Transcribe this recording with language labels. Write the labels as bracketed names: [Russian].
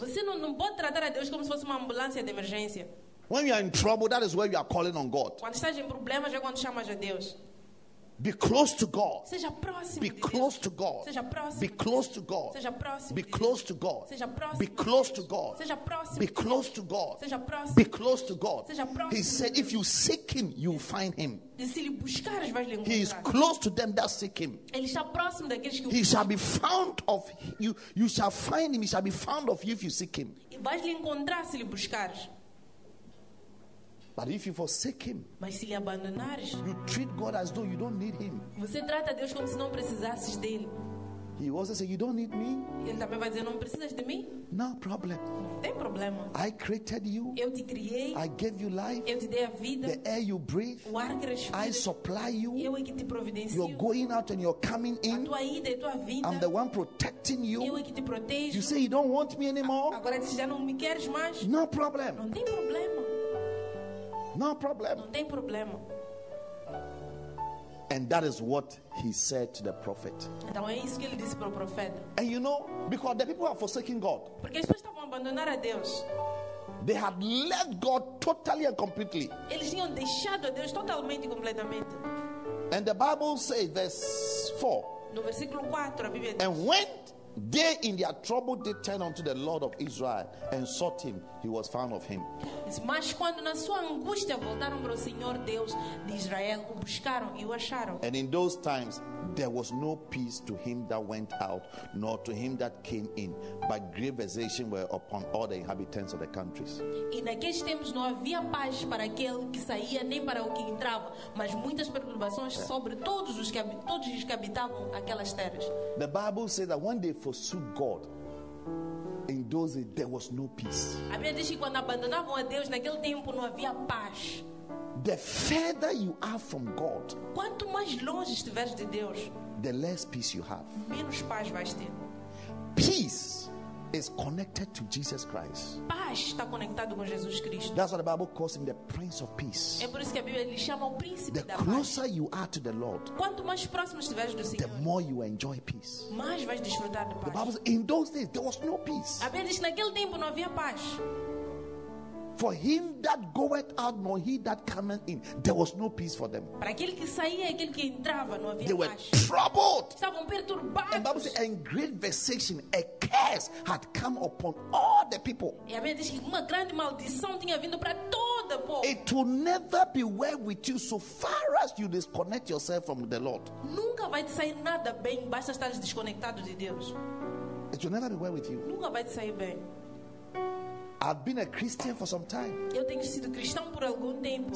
[Portuguese] Você não pode tratar a Deus como se fosse uma ambulância de emergência. [English] When you are in trouble, that is where you are calling on God. [Portuguese] Quando estás em problemas, é quando chamas a Deus. [English] Be close to God. [Portuguese] Seja próximo. [English] Be close to God. [Portuguese] Seja próximo. [English] Be close to God. [Portuguese] Seja próximo. [English] Be close to God. [Portuguese] Seja próximo. [English] Be close to God. [Portuguese] Seja próximo. [English] Be close to God. [Portuguese] Seja próximo. [English] Be close to God. [Portuguese] Seja próximo. [English] He said, if you seek him, you'll find him. [Portuguese] Se lhe buscares, vais lhe encontrar. [English] He is close to them that seek him. [Portuguese] Ele está próximo daqueles que o he busca. [English] Shall be found of you. You shall find him. He shall be found of you if you seek him. [Portuguese] E vais lhe encontrar se lhe buscares. [English] But if you forsake him, [Portuguese] mas se lhe abandonares, [English] you treat God as though you don't need him. [Portuguese] Você trata Deus como se não precisasses dele. [English] He also said, you don't need me. [Portuguese] Ele também vai dizer, não precisas de mim. [English] No problem. [Portuguese] Não tem problema. [English] I created you. [Portuguese] Eu te criei. [English] I gave you life. [Portuguese] Eu te dei a vida. [English] The air you breathe. [Portuguese] O ar que respira. [English] I supply you. [Portuguese] Eu é que te providencio. [English] You're going out and you're coming in. [Portuguese] A tua ida e a tua vinda. [English] I'm the one protecting you. [Portuguese] Eu é que te protejo. [English] You say you don't want me anymore. [Portuguese] Agora dizes, já não me queres mais. [English] No problem. [Portuguese] Não tem problema. [English] No problem. [Portuguese] Não tem problema. [English] And that is what he said to the prophet. [Portuguese] Então, é isso que ele disse para o profeta. [English] And you know, because the people are forsaking God. [Portuguese] Porque as pessoas estavam abandonando a Deus. [English] They had left God totally and completely. [Portuguese] Eles tinham deixado a Deus totalmente e completamente. [English] And the Bible says, verse 4. [Portuguese] No versículo 4, a Bíblia diz. [English] And when they in their trouble did turn unto the Lord of Israel and sought him, he was found of him. [Portuguese] Mas quando na sua angústia voltaram para o Senhor Deus de Israel, o buscaram e o acharam. [English] And in those times, there was no peace to him that went out, nor to him that came in, but great vexation were upon all the inhabitants of the countries. [Portuguese] E naqueles tempos não havia paz para aquele que saía, nem para o que entrava, mas muitas perturbações sobre todos os que habitavam aquelas terras. [English] The Bible says that when they forsook God, in those days there was no peace. [Portuguese] A Bíblia diz que quando abandonavam a Deus, naquele tempo não havia paz. [English] The further you are from God, [Portuguese] quanto mais longe estiveres de Deus, [English] the less peace you have. [Portuguese] Menos paz vais ter. [English] Peace is connected to Jesus Christ. [Portuguese] Paz está conectado com Jesus Cristo. [English] That's why the Bible calls him the Prince of Peace. [Portuguese] É por isso que a Bíblia lhe chama o Príncipe da [English] The closer you are to the Lord, [Portuguese] quanto mais próximo estiveres do Senhor, [English] the more you enjoy peace. [Portuguese] Mais vais desfrutar de paz. [English] The Bible says, in those days there was no peace. [Portuguese] A Bíblia diz que naquele tempo não havia paz. [English] For him that goeth out, nor he that cometh in, there was no peace for them. [Portuguese] Para aquele que saía, aquele que entrava, não havia paz. [English] They were troubled. [Portuguese] Estavam perturbados. [English] And Bible says, and great vexation, a curse had come upon all the people. [Portuguese] E a Bíblia diz que uma grande maldição tinha vindo para todo o povo. [English] It will never be well with you so far as you disconnect yourself from the Lord. [Portuguese] Nunca vai te sair nada bem, basta estar desconectado de Deus. [English] It will never be well with you. [Portuguese] Nunca vai te sair bem. [English] I've been a Christian for some time. [Portuguese] Eu tenho sido cristão por algum tempo.